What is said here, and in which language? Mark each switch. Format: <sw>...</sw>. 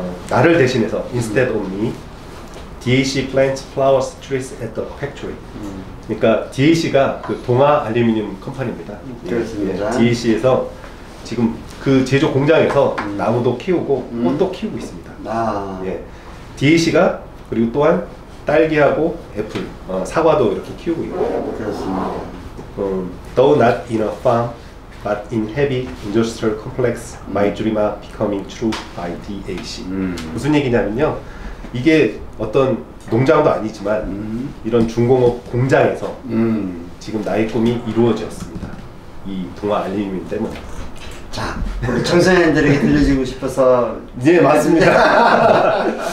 <ko>나를 대신해서</ko> <en>instead of me DAC plants flowers trees at the factory.</en> <ko>그러니까 DAC가 그 동아 알루미늄 컴퍼니입니다. 그렇습니다. 예, DAC에서 지금 그 제조 공장에서 나무도 키우고 꽃도 키우고 있습니다. 아. 예. DAC가 그리고 또한 딸기하고 애플, 사과도 이렇게 키우고 있고. 그렇습니다.</ko> <en>Though not in a farm, but in heavy industrial complex, my dream are becoming true by DAC.</en> <ko>무슨 얘기냐면요. 이게 어떤 농장도 아니지만 이런 중공업 공장에서 지금 나의 꿈이 이루어졌습니다. 이 동화 알림 때문에. 자, 우리 청소년들에게 들려주고 싶어서. 네, 맞습니다.</ko>